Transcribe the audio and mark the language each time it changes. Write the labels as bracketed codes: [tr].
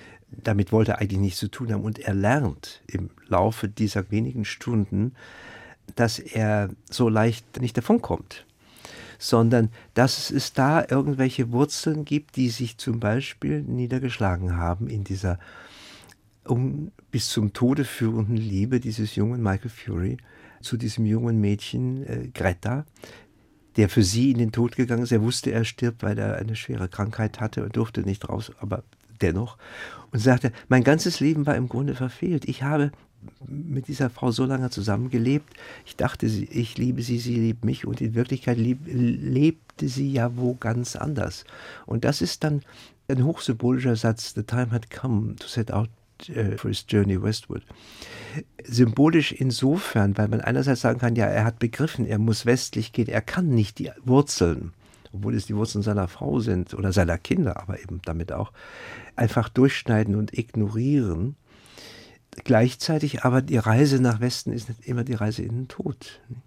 [de] Damit wollte er eigentlich nichts zu tun haben und er lernt im Laufe dieser wenigen Stunden, dass er so leicht nicht davon kommt, sondern dass es da irgendwelche Wurzeln gibt, die sich zum Beispiel niedergeschlagen haben in dieser bis zum Tode führenden Liebe dieses jungen Michael Fury zu diesem jungen Mädchen Greta, der für sie in den Tod gegangen ist. Er wusste, er stirbt, weil er eine schwere Krankheit hatte und durfte nicht raus, aber dennoch. Und sagte, mein ganzes Leben war im Grunde verfehlt. Ich habe mit dieser Frau so lange zusammengelebt. Ich dachte, ich liebe sie, sie liebt mich. Und in Wirklichkeit lebte sie ja wo ganz anders. Und das ist dann ein hochsymbolischer Satz. [en] The time had come to set out for his journey westward. [de] Symbolisch insofern, weil man einerseits sagen kann, ja, er hat begriffen, er muss westlich gehen. Er kann nicht die Wurzeln, obwohl es die Wurzeln seiner Frau sind oder seiner Kinder, aber eben damit auch, einfach durchschneiden und ignorieren. Gleichzeitig aber die Reise nach Westen ist nicht immer die Reise in den Tod.